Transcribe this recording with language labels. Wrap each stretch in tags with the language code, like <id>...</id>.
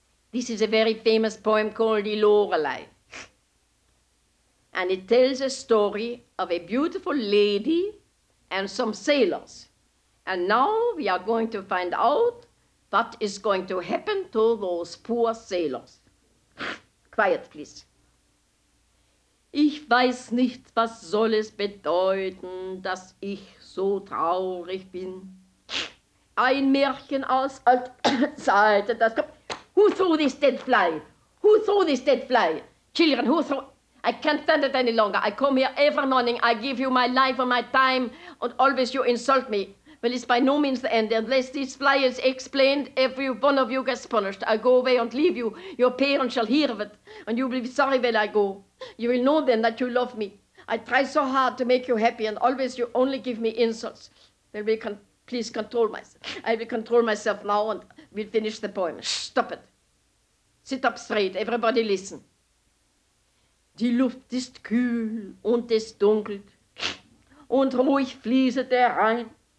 <en>This is a very famous poem called Die Lorelei. And it tells a story of a beautiful lady and some sailors. And now we are going to find out what is going to happen to those poor sailors. Quiet, please.</en> <de>Ich weiß nicht, was soll es bedeuten, dass ich so traurig bin. Ein Märchen aus Altzeit, das kommt.</de> <en>Who threw this dead fly? Who threw this dead fly? Children, who threw? I can't stand it any longer. I come here every morning. I give you my life and my time, and always you insult me. Well, it's by no means the end. Unless this fly is explained, every one of you gets punished. I go away and leave you. Your parents shall hear of it, and you will be sorry when I go. You will know then that you love me. I try so hard to make you happy, and always you only give me insults. Then we can. Please control myself. I will control myself now and we'll finish the poem. Shh, stop it. Sit up straight. Everybody listen.</en> <de>Die Luft ist kühl und es dunkelt und ruhig fließet der Rhein.</de>